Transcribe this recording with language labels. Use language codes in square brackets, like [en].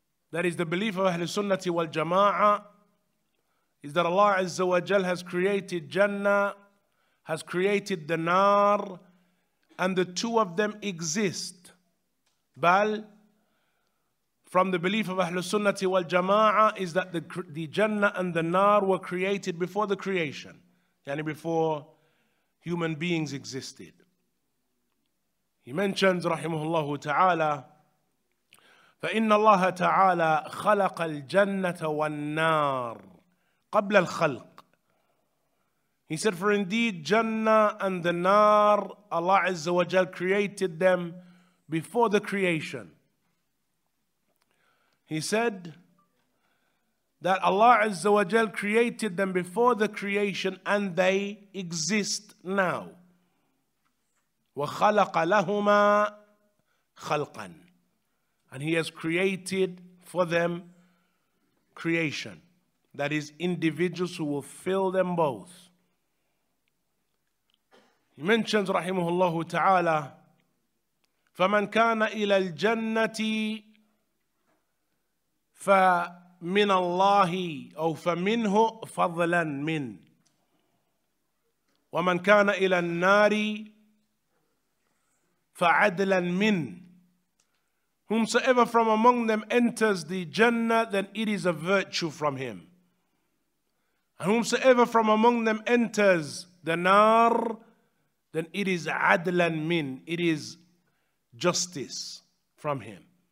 [en] That is the belief of Ahl Sunnah wal Jama'ah, is that Allah Azza wa Jal has created Jannah, has created the Nar, and the two of them exist. Bal, from the belief of Ahl Sunnah wal Jama'ah, is that the Jannah and the Nar were created before the creation, yani before human beings existed. He mentions, [ar] rahimahullahu ta'ala, فإن الله تعالى خلق الجنة والنار قبل الخلق. [en] He said, for indeed Jannah and the Nar, Allah Azza wa Jal created them before the creation. He said that Allah Azza wa Jal created them before the creation and they exist now. [ar] وخلق لهما خلقا, [en] and he has created for them creation. That is, individuals who will fill them both. He mentions, [ar] rahimahullah ta'ala, فَمَنْ كَانَ إِلَى الْجَنَّةِ فَمِنَ اللَّهِ أَوْ فَمِنْهُ فَضْلًا مِنْ وَمَنْ كَانَ إِلَى النَّارِ فَعَدْلًا مِنْ. [en] Whomsoever from among them enters the Jannah, then it is a virtue from him. And whomsoever from among them enters the Nar, then it is [ar] adlan min, [en] it is justice from him.